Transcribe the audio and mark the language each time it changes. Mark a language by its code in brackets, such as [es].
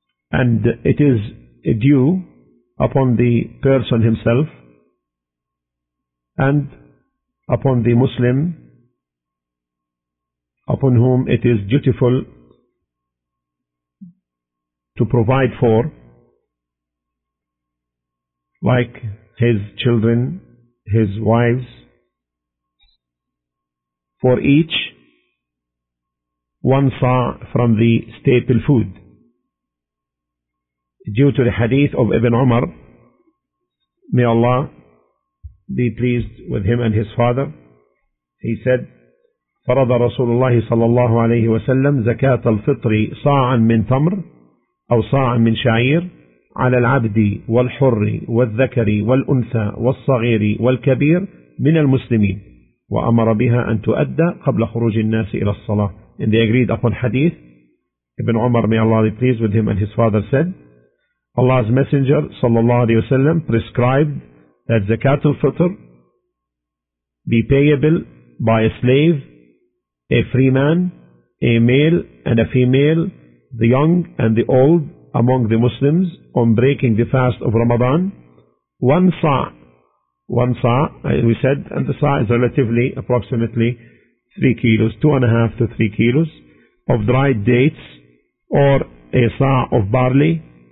[en] And it is due upon the person himself and upon the Muslim upon whom it is dutiful to provide for, like his children, his wives. For each, one sa' from the staple food. Due to the hadith of Ibn Umar, may Allah be pleased with him and his father, he said, [ar] فَرَضَ رَسُولُ اللَّهِ صَلَى اللَّهُ عَلَيْهِ وَسَلَّمَ زَكَاةَ الْفِطْرِ صَاعًا مِنْ تَمْرٍ أَوْ صَاعًا مِنْ شَعِيرٍ على العبد والحر والذكر والأنثى والصغير والكبير من المسلمين وأمر بها أن تؤدى قبل خروج الناس إلى الصلاة. [en] And they agreed upon hadith. Ibn Umar, may Allah be pleased with him and his father, said, Allah's Messenger sallallahu alayhi wasallam prescribed that zakat al-fitr be payable by a slave, a free man, a male and a female, the young and the old among the Muslims on breaking the fast of Ramadan, one sa', we said, and the sa' is relatively approximately 3 kilos, 2.5 to 3 kilos of dried dates or a sa' of barley,